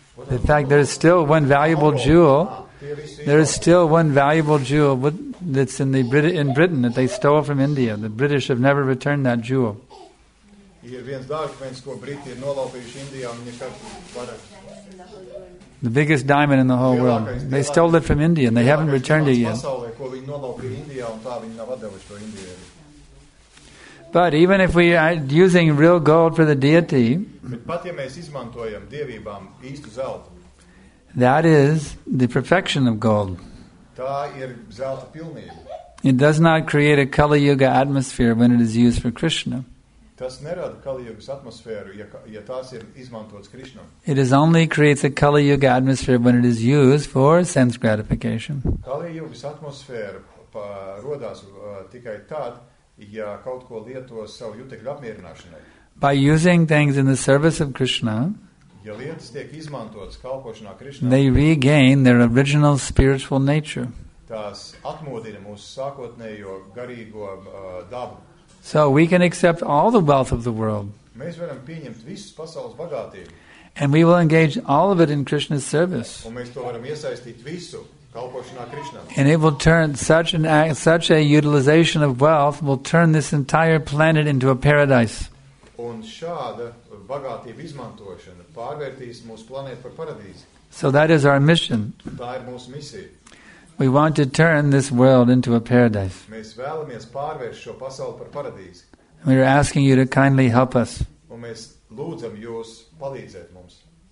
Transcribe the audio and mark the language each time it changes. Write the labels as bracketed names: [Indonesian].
[English] In fact, there is still one valuable jewel that's in in Britain that they stole from India. The British have never returned that jewel. [Latvian] Ir viens dārgakmeņš, ko Briti ir nolaupījuši Indijā un nekad vairāk. [English] The biggest diamond in the whole world. They stole it from India and they haven't returned it yet. [Latvian] Ko viņi nolaupīja Indijā un tā viņi nav atdevuši to Indijai. [English] But even if we are using real gold for the deity, [Latvian] bet pat ja mēs izmantojam dievībām īstu zeltu, [English] that is the perfection of gold. [Latvian] Tā ir zelta pilnība. [English] It does not create a Kali Yuga atmosphere when it is used for Krishna. [Latvian] Tas nerada Kali Yugas atmosfēru, ja tās ir izmantotas Krišnam. [English] It is only creates a Kali Yuga atmosphere when it is used for sense gratification. [Latvian] Kali Yugas atmosfēra rodās tikai tad, ja kaut ko lieto savu jutekļu apmierināšanai. [English] By using things in the service of Krishna, [Latvian] ja lietas tiek izmantotas kalpošanā Krišnam, [English] they regain their original spiritual nature. [Latvian] tās atmodina mūsu sākotnējo garīgo dabu. [English] So we can accept all the wealth of the world. [Latvian] Mēs varam pieņemt visus pasaules bagātību. [English] And we will engage all of it in Krishna's service. [Latvian] Un mēs to varam iesaistīt visu kalpošanā Krishnam. [English] And it will turn such a utilization of wealth will turn this entire planet into a paradise. [Latvian] Un šāda bagātība izmantošana pārvērtīs mūsu planētu par paradīzi. [English] So that is our mission. [Latvian] Tā ir mūsu misija. [English] We want to turn this world into a paradise. [Latvian] Mēs vēlamies pārvērst šo pasauli par paradīzi. [English] We are asking you to kindly help us. [Latvian] Un mēs lūdzam jūs palīdzēt mums.